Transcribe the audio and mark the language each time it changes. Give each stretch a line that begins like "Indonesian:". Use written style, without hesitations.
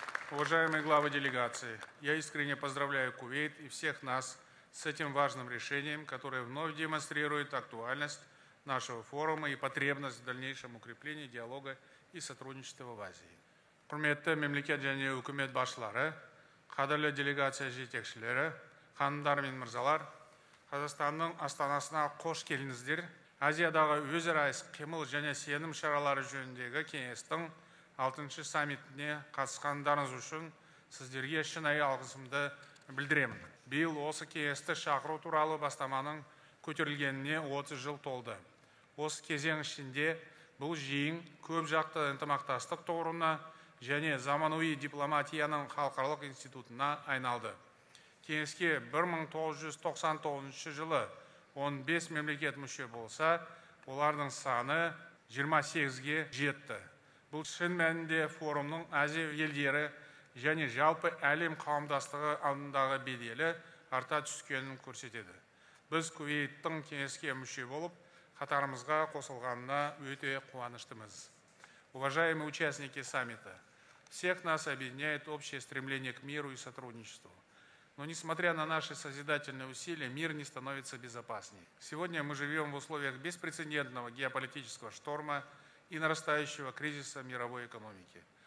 Russian: Уважаемые главы делегации, я искренне поздравляю Кувейт и всех нас с этим важным решением, которое вновь демонстрирует актуальность нашего форума и потребность в дальнейшем укреплении диалога и сотрудничества в Азии.
Kazakh: Құрметті мемлекет және үкімет басшылары, қадірлі делегация жетекшілері, ханымдар мен мырзалар, Қазақстанның астанасына қош келдіңіздер. Азиядағы өзара іс-қимыл және сенім шаралары жөніндегі кеңестің 6-шы саммитіне қатысқандарыңыз үшін сіздерге шынайы алғысымды білдіремін. Биыл осы кеңесті шақыру туралы бастаманың көтерілгеніне 30 жыл толды. Осы кезең ішінде бұл жиын көп жақты ынтымақтастық тұғырына және заманауи дипломатияның халықаралық институтына айналды. Кеңеске 1999 жылы 15 мемлекет мүше болса, олардың саны 28-ге жетті. Бұл шын мәнінде форумның Азия елдері және жалпы әлем қауымдастығы алдындағы беделі арта түскенін көрсетеді. біз Кувейттің кеңеске мүше болып, қатарымызға қосылғанына өте қуаныштымыз.
Russian: Уважаемые участники саммита, всех нас объединяет общее стремление к миру и сотрудничеству. Но несмотря на наши созидательные усилия, мир не становится безопаснее. Сегодня мы живем в условиях беспрецедентного геополитического шторма и нарастающего кризиса мировой экономики.